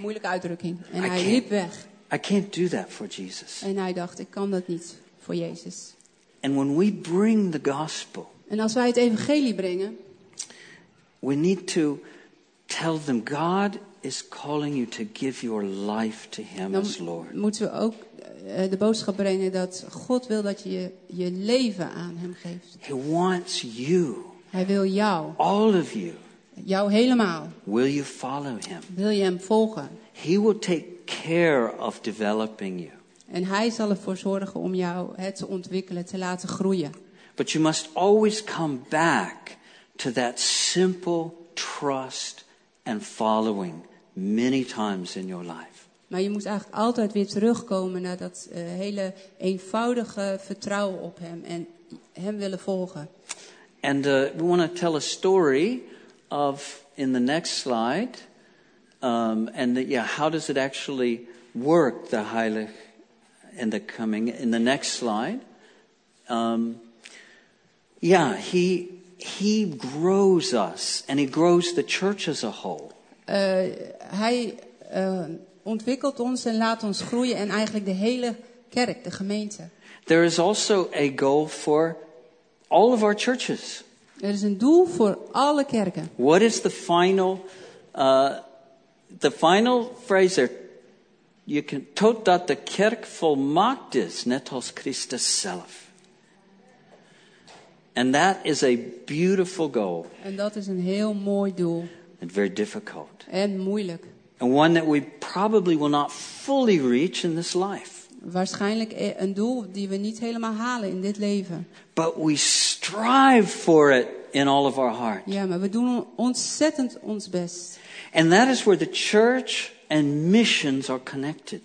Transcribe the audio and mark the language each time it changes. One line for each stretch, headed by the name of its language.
Dutch: Moeilijke uitdrukking. En hij liep weg.
English: I can't do that for Jesus.
Dutch: En hij dacht, ik kan dat niet voor Jezus.
English: And when we bring the gospel,
Dutch: en als wij het evangelie brengen,
English: we need to tell them God is calling you to give your life to him
Dutch: dan
English: as Lord.
Dutch: Moeten we ook de boodschap brengen dat God wil dat je leven aan hem geeft.
English: He wants you.
Dutch: Hij wil jou.
English: All of you.
Dutch: Jou helemaal.
English: Will you follow him?
Dutch: Wil je hem volgen?
English: He will take care of developing you.
Dutch: En hij zal ervoor zorgen om jou te ontwikkelen, te laten groeien.
English: But you must always come back to that simple trust and following many times in your life.
Dutch: Maar je moet eigenlijk altijd weer terugkomen naar dat hele eenvoudige vertrouwen op hem en hem willen volgen.
English: And we want to tell a story of in the next slide. How does it actually work, the Heilig? In the next slide. He grows us and he grows the church as a whole.
Dutch: Hij ontwikkelt ons en laat ons groeien en eigenlijk de hele kerk, de gemeente.
English: There is also a goal for all of our churches.
Dutch: Er is een doel voor alle kerken.
English: What is the final phrase there? You can
Dutch: tot dat de kerk volmaakt is, net als Christus zelf.
English: And that is a beautiful goal.
Dutch: En dat is een heel mooi doel.
English: And very difficult.
Dutch: En moeilijk.
English: And one that we probably will not fully reach in this life.
Dutch: Waarschijnlijk een doel die we niet helemaal halen in dit leven.
English: But we strive for it in all of our heart.
Dutch: Ja, maar we doen ontzettend ons best.
English: And that is where the church and missions are connected.